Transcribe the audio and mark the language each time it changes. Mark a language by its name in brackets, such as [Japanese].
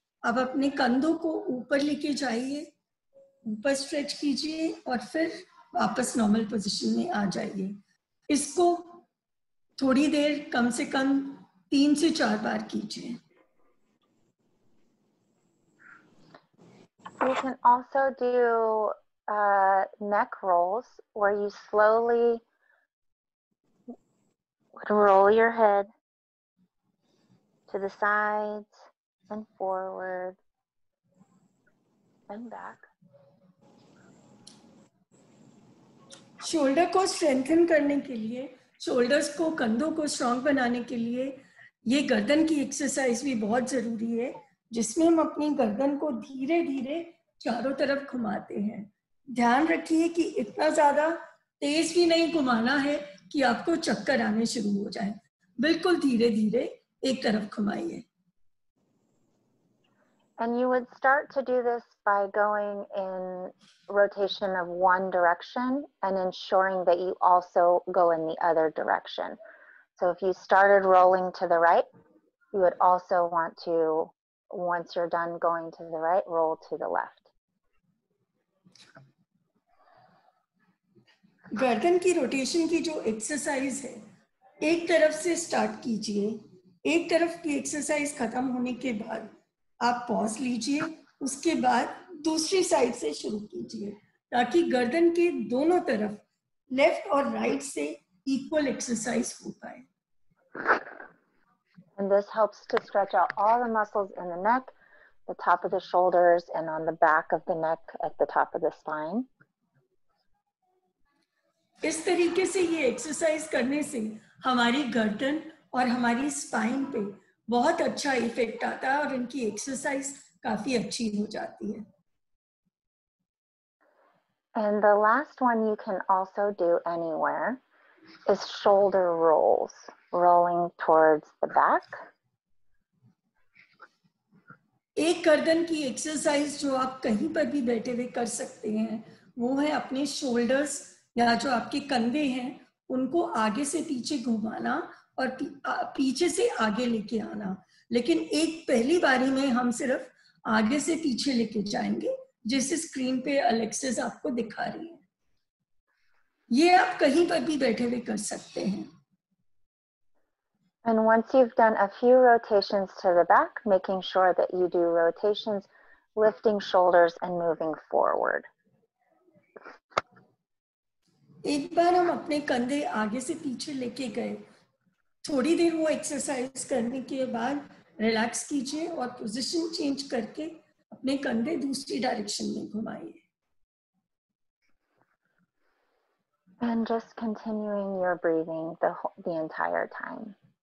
[Hindi] अब अपने कंधों को ऊपर लेके जाइए, ऊपर स्ट्रेच कीजिए और फिर वापस नॉर्मल पोजीशन में आ जाइए. इसको थोड़ी देर कम से कम 3 से 4 बार कीजिए. [English] You can also do neck rolls where you slowly roll your head to the sides and forward and back. [Hindi] Shoulder ko strengthen karne ke liye, shoulders ko kandho ko strong banane ke liye, ye gardan ki exercise bhi bahut zaruri hai, जिसमें हम अपनी गर्दन को धीरे धीरे चारों तरफ घुमाते हैं. ध्यान रखिए कि इतना ज्यादा तेज भी नहीं घुमाना है कि आपको चक्कर आने शुरू हो जाए. बिल्कुल धीरे धीरे एक तरफ घुमाइए. [English] And you would start to do this by going in rotation of one direction and ensuring that you also go in the other direction. So if you started rolling to the right, you would also want to, once you're done going to the right, roll to the left. [Hindi] गर्दन की rotation की जो exercise है, एक तरफ से start कीजिए, एक तरफ की एक्सरसाइज खत्म होने के बाद आप पॉज लीजिए, उसके बाद दूसरी साइड से शुरू कीजिए, ताकि गर्दन के दोनों तरफ लेफ्ट और राइट से इक्वल एक्सरसाइज हो पाए. [English] And this helps to stretch out all the muscles in the neck, the top of the shoulders, and on the back of the neck at the top of the spine. [Hindi] इस तरीके से ये exercise करने से हमारी गर्दन और हमारी स्पाइन पे बहुत अच्छा इफेक्ट आता है और इनकी एक्सरसाइज काफी अच्छी हो जाती है. [English] And the last one you can also do anywhere is shoulder rolls, rolling towards the back. [Hindi] एक गर्दन की एक्सरसाइज जो आप कहीं पर भी बैठे हुए कर सकते हैं वो है अपने शोल्डर्स या जो आपके कंधे हैं उनको आगे से पीछे घुमाना और पीछे से आगे लेके आना. लेकिन एक पहली बारी में हम सिर्फ आगे से पीछे लेके जाएंगे, जैसे स्क्रीन पे एलेक्सिस आपको दिखा रही है. ये आप कहीं पर भी बैठे हुए कर सकते हैं. [English] And once you've done a few rotations to the back, making sure that you do rotations, lifting shoulders and moving forward. [Hindi] एक बार हम अपने कंधे आगे से पीछे लेके गए, थोड़ी देर वो एक्सरसाइज करने के बाद रिलैक्स कीजिए और पोजीशन चेंज करके अपने कंधे दूसरी डायरेक्शन में घुमाइए. [English] And just continuing your breathing the entire time.